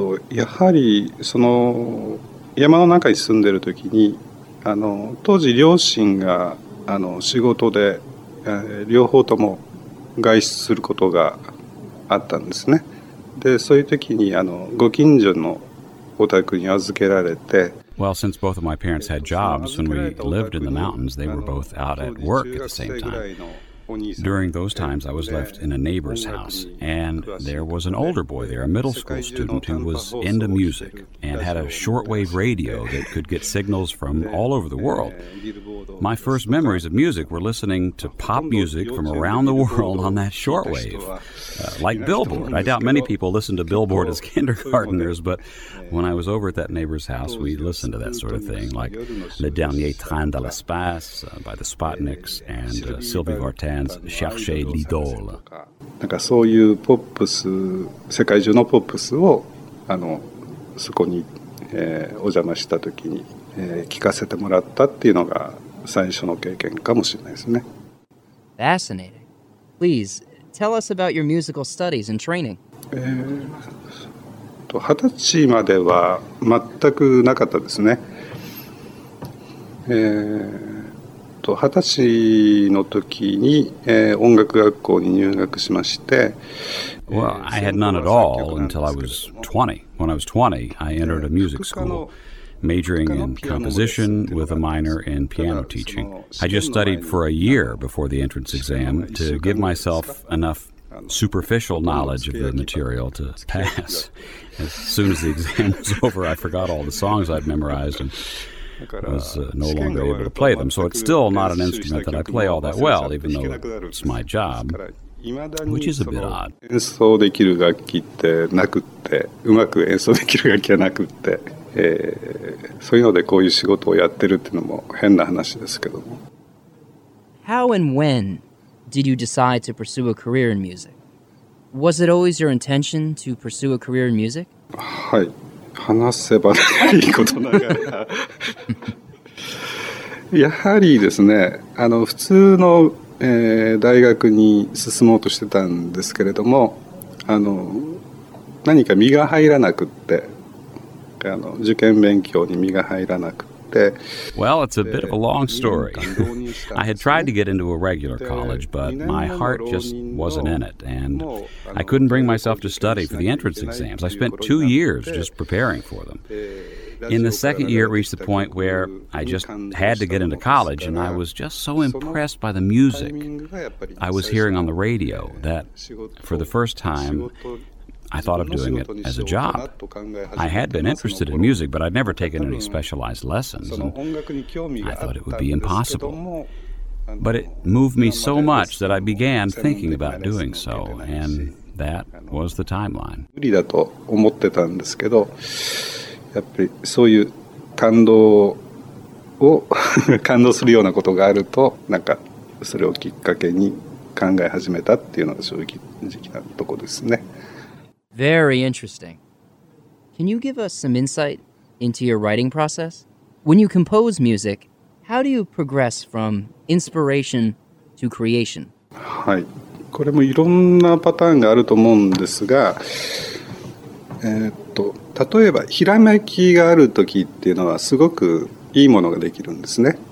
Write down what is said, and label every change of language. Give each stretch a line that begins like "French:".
Japanese: やはりその山の中に住んでる時に、当時両親が仕事で、両方とも外出することがあったんですね。で、そういう時にご近所の
English: Well, since both of my parents had jobs when we lived in the mountains, they were both out at work at the same time. During those times, I was left in a neighbor's house, and there was an older boy there, a middle school student who was into music and had a shortwave radio that could get signals from all over the world. My first memories of music were listening to pop music from around the world on that shortwave, like Billboard. I doubt many people listen to Billboard as kindergartners, but when I was over at that neighbor's house, we listened to that sort of thing, like Le Dernier Train de l'Espace by the Sputniks and Sylvie Vartan's Chercher l'Idole.
Japanese: なんかそういうポップス、世界中のポップスをそこに、お邪魔した時に、聞かせてもらったっていうのが最初の経験かもしれないですね。
English: Fascinating. Please, tell us about your musical studies and training.
Japanese: 20歳までは全くなかったですね。 20歳の時に、音楽学校に入学しまして、
English: Well, I had none at all until I was 20. When I was 20, I entered a music school. Majoring in composition with a minor in piano teaching. I just studied for a year before the entrance exam to give myself enough superficial knowledge of the material to pass. As soon as the exam was over, I forgot all the songs I'd memorized and was no longer able to play them. So it's still not an instrument that I play all that well, even though it's my job, which is a bit odd.
Japanese: 演奏できる楽器ってなくって、うまく演奏できる楽器はなくって、そういうのでこういう仕事をやってるっていうのも変な話ですけども。
English: How and when did you decide to pursue a career in music? Was it always your intention to pursue a career in music?
Japanese: はい。話せばいいことながら。やはりですね、普通の、大学に進もうとしてたんですけれども、何か身が入らなくって、受験勉強に身が入らなくて。
English: Well, it's a bit of a long story. I had tried to get into a regular college, but my heart just wasn't in it, and I couldn't bring myself to study for the entrance exams. I spent 2 years just preparing for them. In the second year, it reached the point where I just had to get into college, and I was just so impressed by the music I was hearing on the radio that for the first time,I thought of doing it as a job. I had been interested in music, but I'd never taken any specialized lessons, and I thought it would be impossible. But it moved me so much that I began thinking about doing so, and that was the timeline.
Japanese: 無理だと思ってたんですけど、やっぱりそういう感動を感動するようなことがあると、なんかそれをきっかけに考え始めたっていうのが正直なとこですね。
English: Very interesting. Can you give us some insight into your writing process? When you compose music, how do you progress from inspiration to creation?
Japanese: はい。これもいろんなパターンがあると思うんですが、例えばひらめきがあるときっていうのはすごくいいものができるんですね。